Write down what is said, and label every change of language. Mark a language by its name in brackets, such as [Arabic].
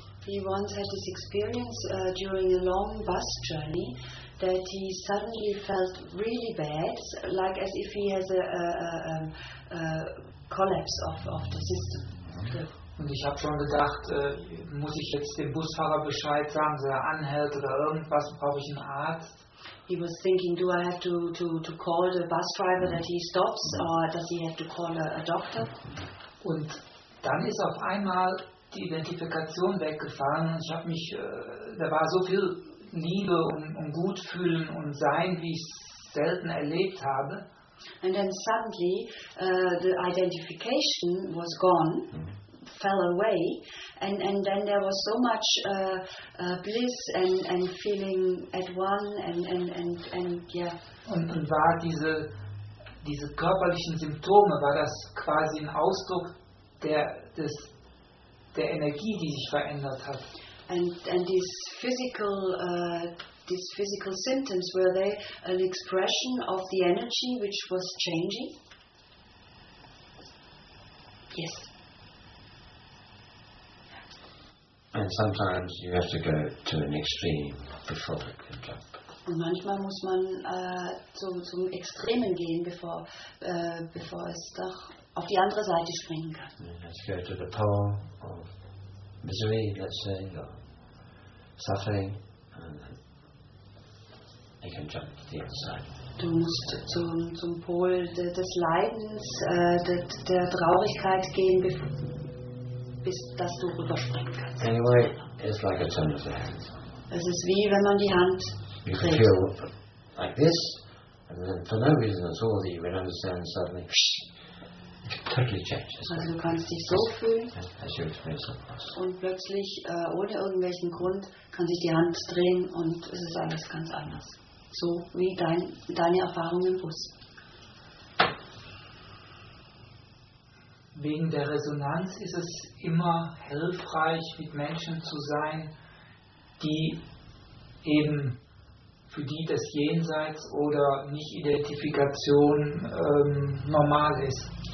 [English] He once had this experience during a long bus journey that he suddenly felt really bad, like as if he has a collapse of the system. Okay. [German] Und ich habe schon gedacht, muss ich jetzt dem Busfahrer Bescheid sagen, dass er anhält oder irgendwas, brauche ich einen Arzt? [English] He was thinking, do I have to call the bus driver that he stops, or does he have to call a doctor? [German] Und dann ist auf einmal die Identifikation weggefallen. Ich habe mich, da war so viel Liebe und Gutfühlen und Sein, wie ich es selten erlebt habe. [English] And then suddenly the identification was gone. Fell away, and then there was so much bliss and feeling at one and yeah. [German] Und war diese körperlichen Symptome, war das quasi ein Ausdruck der Energie, die sich verändert hat. [English] And these physical symptoms, were they an expression of the energy which was changing? Yes. And sometimes you have to go to an extreme before it can jump. [German] Und manchmal muss man zum Extremen gehen, bevor es doch auf die andere Seite springen kann. [English] Let's go to the pole of misery, let's say, or suffering, and then it can jump to the other side. [German] Du musst zum Pol des Leidens, der Traurigkeit gehen, bis dass du rüberspringen kannst. [English] Anyway, it's like a turn of the hand. [German] Es ist wie wenn man die Hand dreht. [English] You can feel like this, and then for no reason at all, you will understand suddenly, totally changes. [German] Also du kannst dich so fühlen, [English] as you experience something else. [German] Und plötzlich, ohne irgendwelchen Grund, kann sich die Hand drehen und es ist alles ganz anders. So wie deine Erfahrung im Bus. Wegen der Resonanz ist es immer hilfreich, mit Menschen zu sein, die eben für die das Jenseits oder Nicht-Identifikation normal ist.